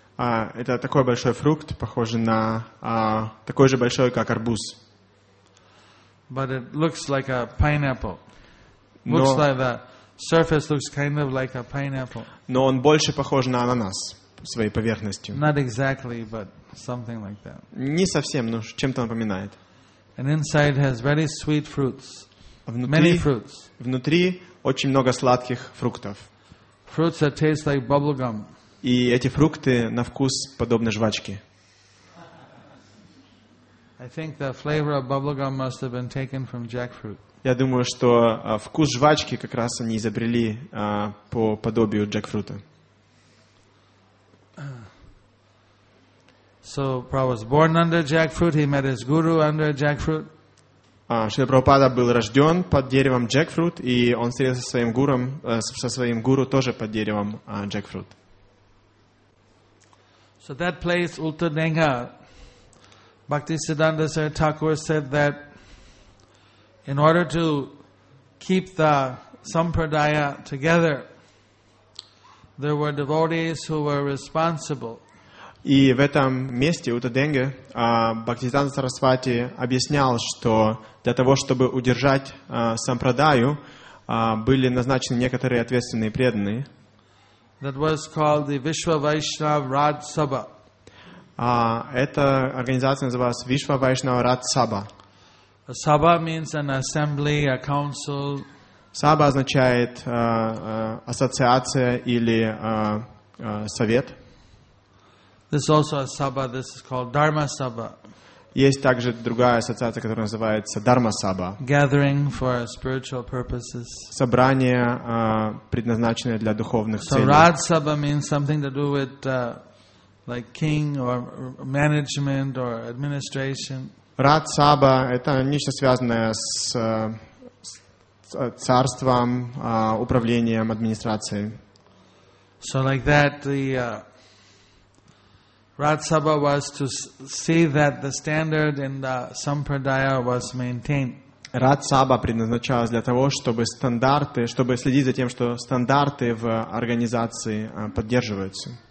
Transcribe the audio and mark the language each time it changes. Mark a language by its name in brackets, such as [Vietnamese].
[Russian] Это такой большой фрукт, похожий на такой же большой, как арбуз. [English] But it looks like a pineapple. Looks like that. surface looks kind of like a pineapple. [Russian] Но он больше похож на ананас своей поверхностью. [English] Not exactly, but something like that. [Russian] Не совсем, но чем-то напоминает. [English] And inside has very sweet fruits. [Russian] Внутри, [English] many fruits. [Russian] Внутри очень много сладких фруктов. [English] Fruits that taste like bubble gum. [Russian] И эти фрукты на вкус подобны жвачке. [English] I think the flavor of bubblegum must have been taken from jackfruit. [Russian] Я думаю, что вкус жвачки как раз они изобрели по подобию джекфрута. [English] So Prabhupada was born under jackfruit. He met his guru under jackfruit. [Russian] Шрила Прабхупада был рожден под деревом джекфрут, и он встретился со своим гуру, тоже под деревом джекфрут. [English] So that place, Ultradenga, Bhaktisiddhanta Saraswati said that in order to keep the sampradaya together, there were devotees who were responsible. [Russian] И в этом месте Ultradenga Bhaktisiddhanta Saraswati объяснял, что для того, чтобы удержать сампрадаю, были назначены некоторые ответственные преданные. [English] That was called the Vishwa Vaishnav Raj Sabha. [Russian] Эта организация называлась Вишва Вайшнава Рад Саба. [English] Саба means an assembly, a council. [Russian] Саба означает ассоциация или совет. [English] This also a Saba. This is called Dharma Saba. [Russian] Есть также другая ассоциация, которая называется Дарма Саба. [English] Gathering for spiritual purposes. [Russian] Собрание, предназначенное для духовных целей. [English] So Rad Saba means something to do with like king or management or administration. [Russian] Рад Саба – это нечто связанное с царством, управлением, администрацией. [English] So like that, the Rad Saba was to see that the standard in the sampradaya was maintained. [Russian] Рад Саба предназначалась для того, чтобы стандарты, чтобы следить за тем, что стандарты в организации поддерживаются.